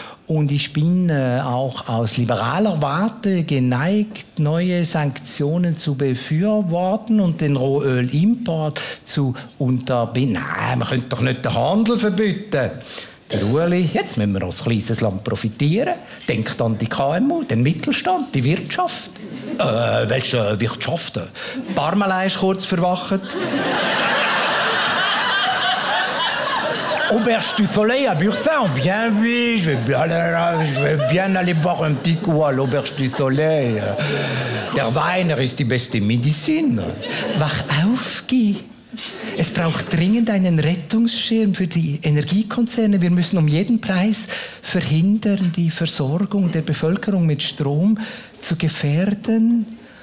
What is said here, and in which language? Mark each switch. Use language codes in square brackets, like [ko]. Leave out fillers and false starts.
[de] Und ich bin auch aus liberaler Warte geneigt, neue Sanktionen zu befürworten und den Rohölimport zu unterbinden. Nein, man könnte doch nicht den Handel verbieten. Der Ueli, jetzt müssen wir als kleines Land profitieren. Denkt an die KMU, den Mittelstand, die Wirtschaft. Welche Wirtschaft? Parmalee ist kurz verwacht. [fr] Auberge du Soleil à Bursin, bien oui, je vais bien aller boire un petit coup à l'Auberge du Soleil. [de] Der Weiner ist die beste Medizin. Wach auf, Guy. Es braucht dringend einen Rettungsschirm für die Energiekonzerne. Wir müssen um jeden Preis verhindern, die Versorgung der Bevölkerung mit Strom zu gefährden.